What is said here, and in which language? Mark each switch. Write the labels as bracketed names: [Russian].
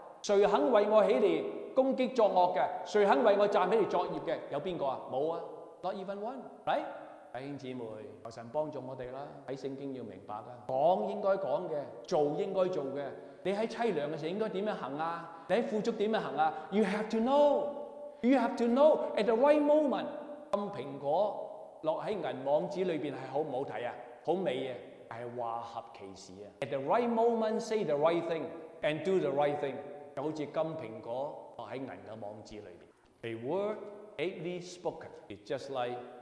[Cantonese] 谁肯为我起嚟攻击作恶嘅？谁肯为我站起嚟作孽嘅？有边个啊？冇啊 ， [English] Not even one，right？ [Cantonese] 弟兄姊妹，求神帮助我们啦！睇圣经要明白啊，讲应该讲的，做应该做的，你在凄凉的时候应该怎样行啊？你在富足怎样行啊 [English] ？You have to know, you have to know at the right moment。 [Cantonese] 金苹果落在银网子里面是好不好看啊？好美啊，是话合其时啊。 [English] At the right moment, say the right thing and do the right thing。 [Cantonese] 就好像金苹果落在银的网子里面 ， [English] A word ably spoken is just like。